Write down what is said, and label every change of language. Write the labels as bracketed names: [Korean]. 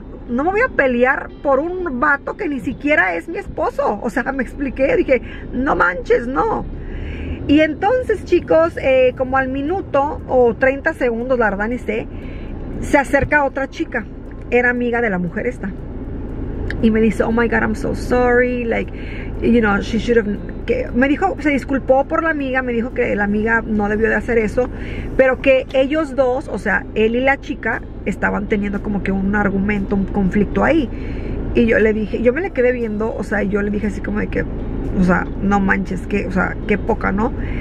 [Spanish] No me voy a pelear por un vato que ni siquiera es mi esposo. O sea, me expliqué, dije, no manches, no. Y entonces, chicos, como al minuto o 30 segundos, la verdad ni sé, se acerca otra chica, era amiga de la mujer esta. Y me dice, [English] oh my God, I'm so sorry, like, you know, she should have... [Spanish] Que, me dijo, se disculpó por la amiga, me dijo que la amiga no debió de hacer eso, pero que ellos dos, o sea, él y la chica, estaban teniendo como que un argumento, un conflicto ahí. Y yo le dije, yo me le quedé viendo, o sea, yo le dije así como de que, o sea, no manches, que, o sea, qué poca, ¿no?